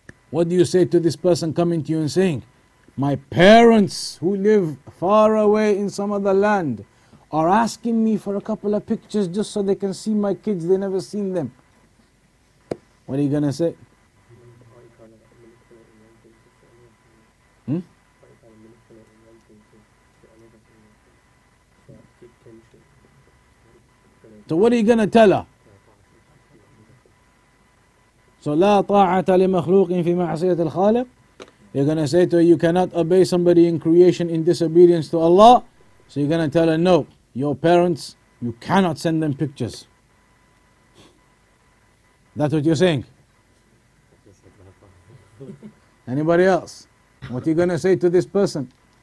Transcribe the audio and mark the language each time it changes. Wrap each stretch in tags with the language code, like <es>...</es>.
<en>What do you say to this person coming to you and saying, my parents who live far away in some other land are asking me for a couple of pictures just so they can see my kids, they never seen them. What are you going to say? So what are you going to tell her? So</en> <ar>لا طاعة لمخلوق في معصية الخالق.</ar> <en>You're going to say to her, you cannot obey somebody in creation in disobedience to Allah. So you're going to tell her, no, your parents, you cannot send them pictures. That's what you're saying? Anybody else? What are you going to say to this person?</en>